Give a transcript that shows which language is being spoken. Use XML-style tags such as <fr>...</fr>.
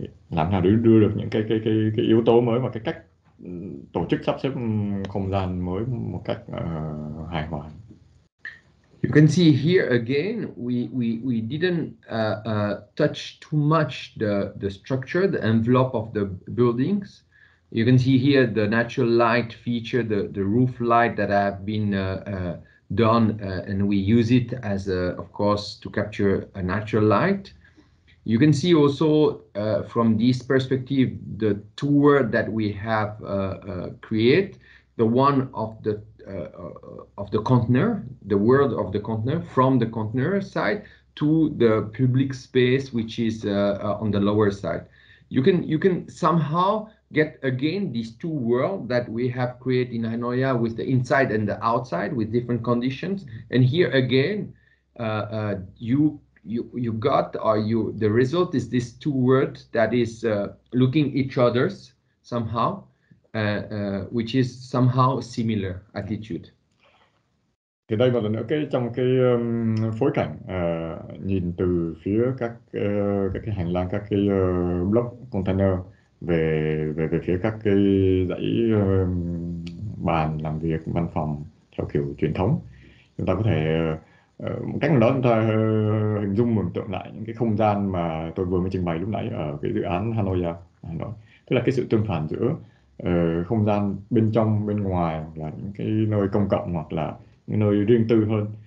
<vi>Làm nào để đưa được những cái yếu tố mới và cái cách tổ chức sắp xếp không gian mới một cách hài hòa.</vi> <en>You can see here again we didn't touch too much the structure, the envelope of the buildings. You can see here the natural light feature, the roof light that have been done, and we use it as a, of course, to capture a natural light. You can see also from this perspective the tour that we have create, the one of the of the container, the world of the container, from the container side to the public space, which is on the lower side. You can somehow get again these two worlds that we have created in Hanoi with the inside and the outside with different conditions. And here again, the result is these two worlds that is looking each other's somehow, which is somehow similar attitude.</en> <vi>Thì đây một lần nữa trong cái phối cảnh nhìn từ phía các cái hành lang, các cái block container về phía các cái dãy bàn làm việc văn phòng theo kiểu truyền thống, chúng ta có thể một cách nào đó chúng ta hình dung mường tượng lại những cái không gian mà tôi vừa mới trình bày lúc nãy ở cái dự án Hà Nội, tức là cái sự tương phản giữa không gian bên trong bên ngoài, là những cái nơi công cộng hoặc là những nơi riêng tư hơn.</vi>